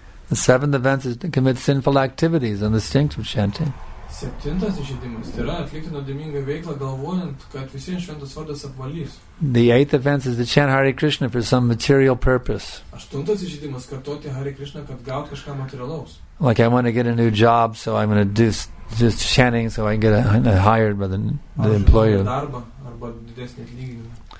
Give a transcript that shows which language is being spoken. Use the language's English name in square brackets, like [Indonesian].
[English] The seventh offense is to commit sinful activities on the strength of chanting. [Lithuanian] Septintas įžeidimas yra atlikti nuodėmingą veiklą galvojant, kad visiems šventas vardas apvalys. [English] The eighth offense is to chant Hare Krishna for some material purpose. [Lithuanian] Aštuntas įžeidimas kartoti Hare Krishna, kad gaut kažką materialaus. [English] Like I want to get a new job, so I'm going to do just chanting so I get hired by the employer. [Lithuanian] Arba darbą arba didesnį atlyginimą.